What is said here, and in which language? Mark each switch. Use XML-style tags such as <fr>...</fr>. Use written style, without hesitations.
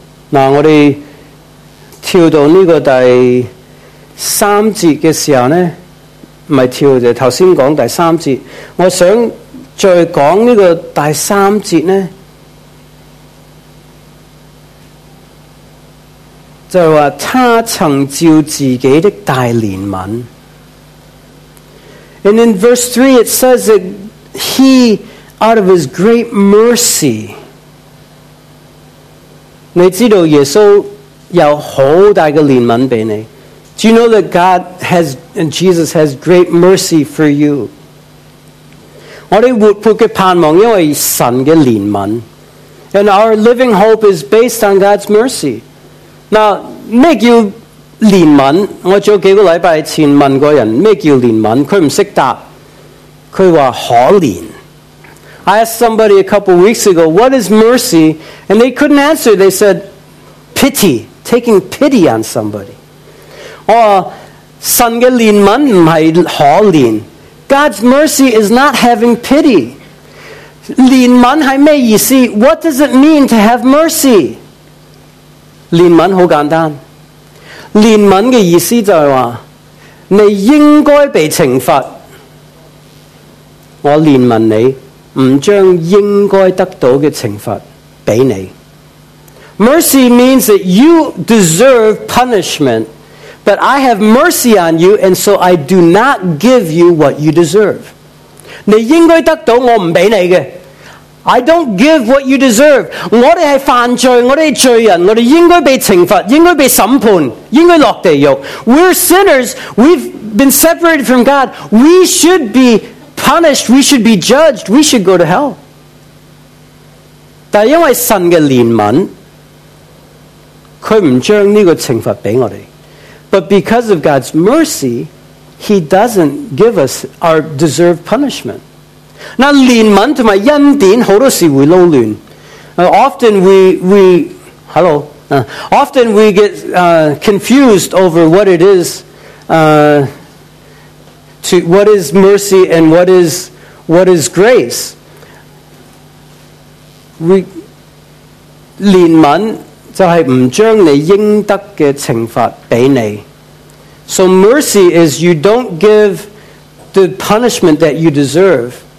<zh>那我们跳到这个第 三节的时候呢，不是跳，就是刚才讲第三节，我想再讲这个第三节呢，就是说他曾照自己的大怜悯。</zh> <en>And in verse 3 it says that he, out of his great mercy,</en> <zh>你知道耶稣有好大的怜悯给你。</zh> <en>Do you know that God has, and Jesus has great mercy for you?</en> <zh>我们活泼的盼望因为神的怜悯,</zh> <en>and our living hope is based on God's mercy.</en> <zh>Now, 什么叫怜悯?我几个礼拜前问过人,什么叫怜悯?他不懂答。他说可怜。</zh> <en>I asked somebody a couple weeks ago, what is mercy? And they couldn't answer. They said, pity, taking pity on somebody.</en> <zh>Oh, 神的怜悯不是可怜,</zh> <en>God's mercy is not having pity.</en> <zh>怜悯是什么意思?</zh> <en>What does it mean to have mercy?</en> <zh>怜悯很简单, 怜悯的意思就是说, 你应该被惩罚, 我怜悯你, 不将应该得到的惩罚给你。</zh> <en>Mercy means that you deserve punishment, but I have mercy on you, and so I do not give you what you deserve.</en> <zh>你应该得到我不给你的,</zh> <en>I don't give what you deserve.</en> <zh>我们是犯罪,我们是罪人,我们应该被惩罚,应该被审判,应该落地狱。</zh> <en>We're sinners, we've been separated from God, we should be punished, we should be judged, we should go to hell.</en> <zh>但因为神的怜悯，他不将这个惩罚给我们。</zh> <en>But because of God's mercy, He doesn't give us our deserved punishment.</en> <zh>那怜悯和恩典很多时会捞乱。</zh> <en>Often we hello, often we get confused over what it is, to what is mercy and what is grace.</en> <zh>We 怜悯就是不将你应得的惩罚给你。</zh> <en>So mercy is you don't give the punishment that you deserve.</en>